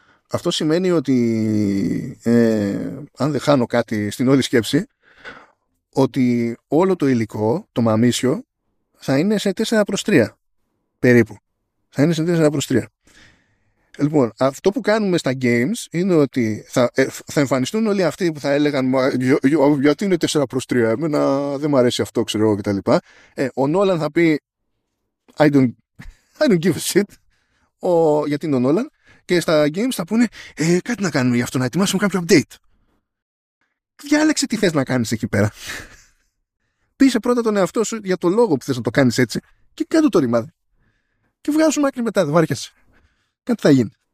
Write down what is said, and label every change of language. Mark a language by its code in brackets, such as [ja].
[el] Αυτό σημαίνει ότι, αν δεν χάνω κάτι στην όλη σκέψη, ότι όλο το υλικό, το μαμίσιο, θα είναι σε 4:3 περίπου. Θα είναι σε 4:3. Λοιπόν, αυτό που κάνουμε στα games είναι ότι θα εμφανιστούν όλοι αυτοί που θα έλεγαν γιατί είναι 4:3, εμένα δεν μου αρέσει αυτό, ξέρω εγώ κτλ. Ο Νόλαν θα πει [en] I don't give a shit. [el] Γιατί είναι ο Νόλαν. Και στα games θα πούνε κάτι να κάνουμε γι' αυτό, να ετοιμάσουμε κάποιο update. Διάλεξε τι θες να κάνεις εκεί πέρα. Πείσε πρώτα τον εαυτό σου για το λόγο που θες να το κάνεις έτσι και κάτω το ρημάδι. Και βγάζουμε άκρη μετά, δεν βάρκεσαι. Κάτι θα γίνει.